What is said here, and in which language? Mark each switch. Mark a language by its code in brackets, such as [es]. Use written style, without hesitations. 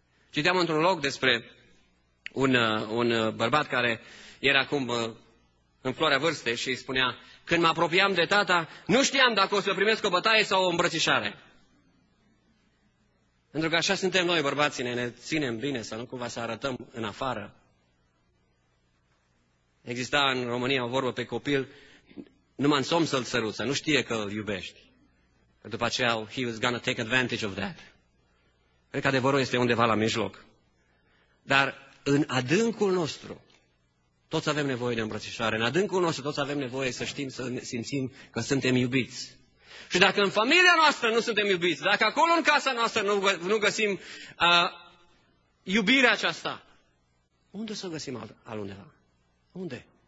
[ro] Citeam într-un loc despre un bărbat care era acum în floarea vârstei și îi spunea: când mă apropiam de tata, nu știam dacă o să primesc o bătaie sau o îmbrățișare. Pentru că așa suntem noi, bărbații, ne ținem bine sau nu cumva să arătăm în afară. Exista în România o vorbă pe copil: numai în somn să-l săruți, nu știe că îl iubești. Că după aceea, [en] he was gonna take advantage of that. [ro] Cred că adevărul este undeva la mijloc. Dar în adâncul nostru, toți avem nevoie de îmbrățișare. În adâncul nostru toți avem nevoie să știm, să ne simțim că suntem iubiți. Și dacă în familia noastră nu suntem iubiți, dacă acolo în casa noastră nu găsim iubirea aceasta, unde să o găsim altundeva? Unde?